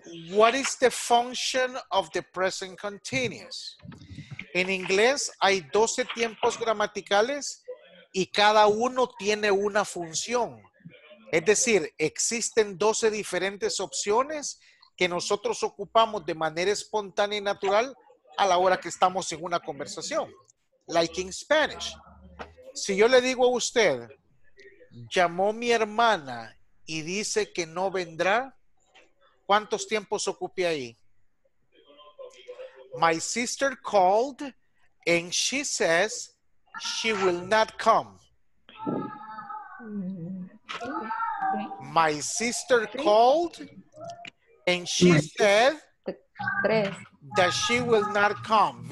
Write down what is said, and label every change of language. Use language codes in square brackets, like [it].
[en] What is the function of the present continuous? [es] En inglés hay 12 tiempos gramaticales y cada uno tiene una función. Es decir, existen 12 diferentes opciones que nosotros ocupamos de manera espontánea y natural a la hora que estamos en una conversación. [en] Like in Spanish. [es] Si yo le digo a usted, llamó mi hermana y dice que no vendrá, ¿cuántos tiempos ocupé ahí? [en] My sister called and she says she will not come. My sister called and she said that she will not come.